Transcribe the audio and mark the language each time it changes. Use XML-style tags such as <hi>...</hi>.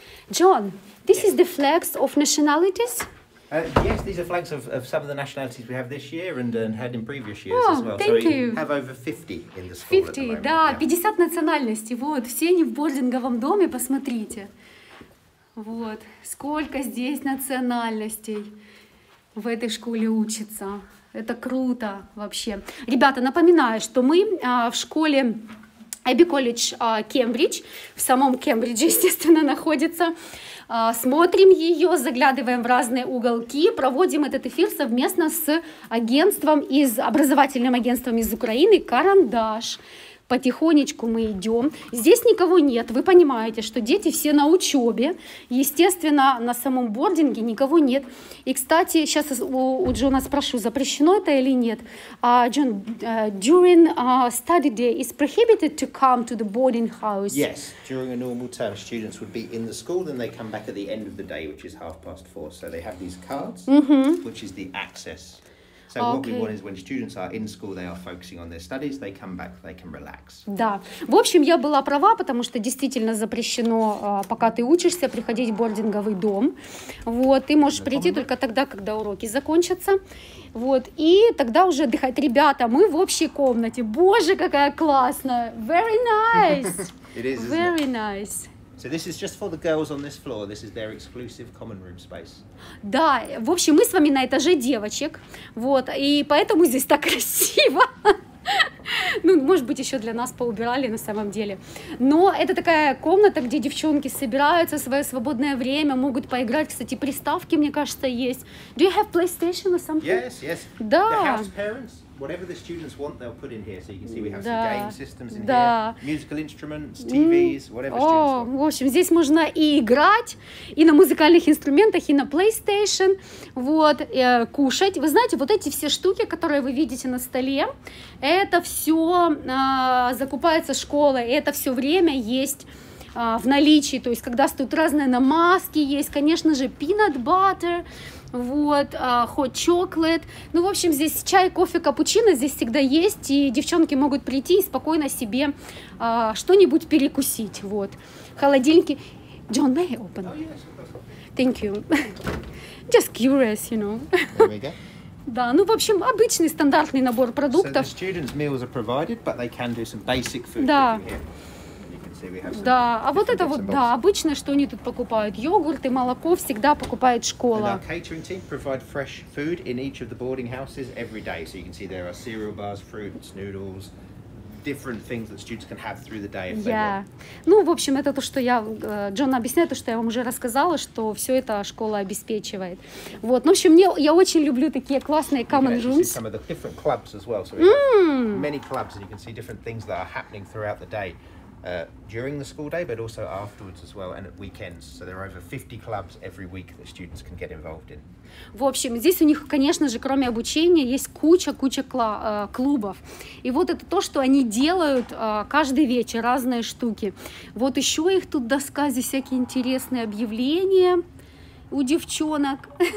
<en>John, this is the flags of nationalities? Yes, these are flags of some of the nationalities we have this year and had in previous years as well. Thank you. So we have over 50 in the school 50, at the moment.</en> <ru>Да, 50 национальностей. Вот, все они в бординговом доме, посмотрите. Вот, сколько здесь национальностей в этой школе учатся. Это круто вообще. Ребята, напоминаю, что мы в школе... Abbey College, Кембридж, в самом Кембридже, естественно, находится. Смотрим ее, заглядываем в разные уголки, проводим этот эфир совместно с агентством из, образовательным агентством из Украины «Карандаш». Потихонечку мы идем. Здесь никого нет, вы понимаете, что дети все на учебе. Естественно, на самом бординге никого нет. И, кстати, сейчас у Джона спрошу, запрещено это или нет.</ru> <en>Джон, during study day, is prohibited to come to the boarding house? Yes, during a normal term, students would be in the school, then they come back at the end of the day, which is 4:30. So they have these cards, mm-hmm. which is the access. So what okay. we want is when students are in school, they are focusing on their studies, they come back, they can relax.</en> <ru>Да. В общем, я была права, потому что действительно запрещено, пока ты учишься, приходить в бординговый дом. Вот, ты можешь прийти только тогда, когда уроки закончатся. Вот, и тогда уже отдыхать. Ребята, мы в общей комнате. Боже, какая классная.</ru> <en>Very nice. It is, isn't it? Very nice. So this is just for the girls on this floor. This is their exclusive common room space.</en> <ru>Да, в общем, мы с вами на этаже девочек. Вот, и поэтому здесь так красиво. Ну, может быть, еще для нас поубирали на самом деле. Но это такая комната, где девчонки собираются в свое свободное время, могут поиграть. Кстати, приставки, мне кажется, есть.</ru> <en>Do you have PlayStation or something? Yes, yes.</en> <ru>Да.</ru> <en>The house parents, whatever the students want, they'll put in here. So you can see we have</en> <ru>да.</ru> <en>some game systems in</en> <ru>да.</ru> <en>here. Musical instruments, TVs, whatever students want.</en> <ru>О, в общем, здесь можно и играть, и на музыкальных инструментах, и на PlayStation. Вот, кушать. Вы знаете, вот эти все штуки, которые вы видите на столе, это все закупается школой, это все время есть в наличии. То есть, когда тут разные намазки есть, конечно же, peanut butter, вот, hot chocolate. Ну, в общем, здесь чай, кофе, капучино здесь всегда есть, и девчонки могут прийти и спокойно себе что-нибудь перекусить. Вот, холодильники.</ru> <en>John, may I open? Oh, yes, of course. Thank you. Just curious, you know. There we go.</en> <ru>Да, ну, в общем, обычный стандартный набор продуктов.</ru> <en>So the students' meals are provided, but they can do some basic food</en> <ru>да.</ru> <en>cooking here. Some</en> <ru>да, а вот это вот, да, обычно, что они тут покупают, йогурт и молоко всегда покупает школа.</ru> <en>And our catering team provide fresh food in each of the boarding houses every day. So you can see there are cereal bars, fruits, noodles, different things that students can have through the day if yeah. they want.</en> <ru>Ну, в общем, это то, что я, Джон, объясняю, то, что я вам уже рассказала, что все это школа обеспечивает. Вот, ну, в общем, мне, я очень люблю такие классные common rooms.</ru> <en>You can see some of the different clubs as well. So we have many clubs and you can see different things that are happening throughout the day. During the school day, but also afterwards as well, and at weekends. So there are over 50 clubs every week that students can get involved in.</en> <ru>В общем, здесь у них, конечно же, кроме обучения, есть куча-куча клубов. И вот это то, что они делают каждый вечер, разные штуки. Вот еще их тут доска, здесь всякие интересные объявления у девчонок.</ru>